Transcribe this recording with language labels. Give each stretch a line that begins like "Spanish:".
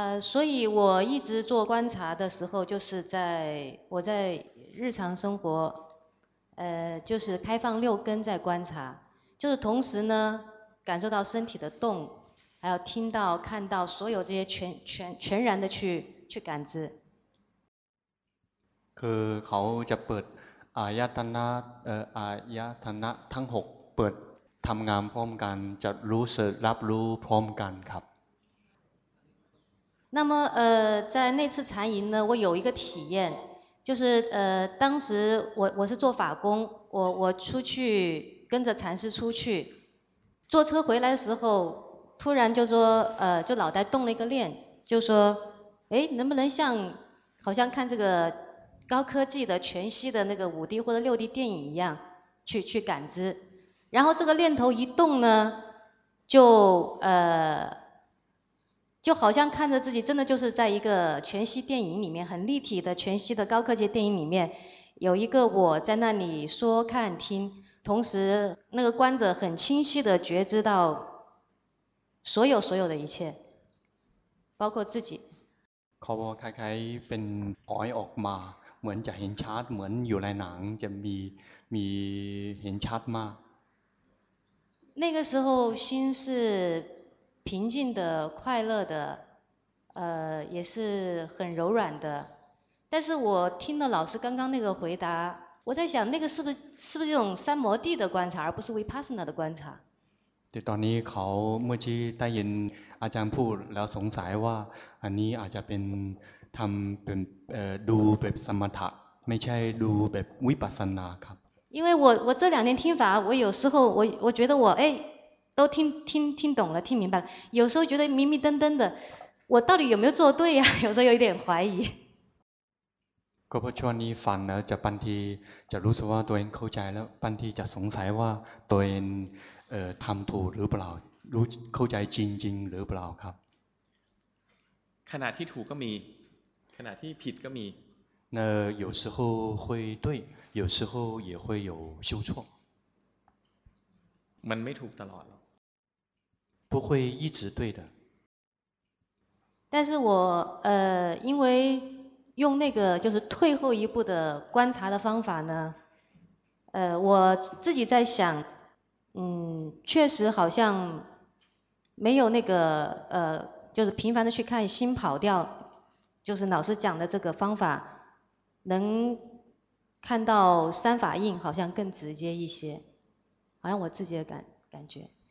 Chinese: 所以我一直做观察的时候，就是在我在日常生活，就是开放六根在观察，就是同时呢感受到身体的动，还有听到看到所有这些全然的去感知。
Thai: คือเขาจะเปิดอายตนะอายตนะทั้งหกเปิดทำงานพร้อมกันจะรู้สึกรับรู้พร้อมกันครับ
Chinese: 那么在那次禅营呢，我有一个体验，就是当时我是做法工，我出去跟着禅师出去，坐车回来的时候，突然就说就脑袋动了一个念，就说哎，能不能像好像看这个高科技的全息的那个 5D 或者 6D 电影一样去感知。然后这个念头一动呢，就好像看着自己真的就是在一个全息电影里面，很立体的全息的高科技电影里面，有一个我在那里说看听，同时那个观者很清晰的觉知到所有的一切，包括自己。考博开开变白恶嘛，
Thai: เหมือนจะเห็นชัดเหมือนอยู่ในหนังจะมีเห็นชัดมาก
Chinese: 那个时候心是平静的快乐的也是很柔软的，但是我听了老师刚刚那个回答，我在想那个是不是用三摩地的观察而不是 vipassana 的观察。
Thai: 对，ตอนนี้เขาเมื่อกี้ได้ยินอาจารย์พูดแล้วสงสัยว่าอันนี้อาจจะเป็นทำเป็นดูแบบสมถะไม่ใช่ดูแบบวิปัสสนาครับ
Chinese: 因为我这两年听法，我有时候我觉得我哎都听懂了，听明白了，有时候觉得迷迷瞪瞪的，我到底有没有做对呀？有时候有一点怀疑。
Thai: ก็เพราะช่วงนี้ฟังแล้วจะบางทีจะรู้สึกว่าตัวเองเข้าใจแล้วบางทีจะสงสัยว่าตัวเองทำถูกหรือเปล่ารู้เข้าใจจริงๆหรือเปล่าครับ ขณะที่ถูกก็มีขณะที่ผิดก็มี
Chinese: 那有时候会对有时候也会有修错
Thai: มันไม่ถูกตลอด
Chinese: 不会一直对的但是我因为用那个就是退后一步的观察的方法呢我自己在想确实好像没有那个就是频繁的去看心跑掉就是老师讲的这个方法能看到三法印好像更直接一些好像我自己的感觉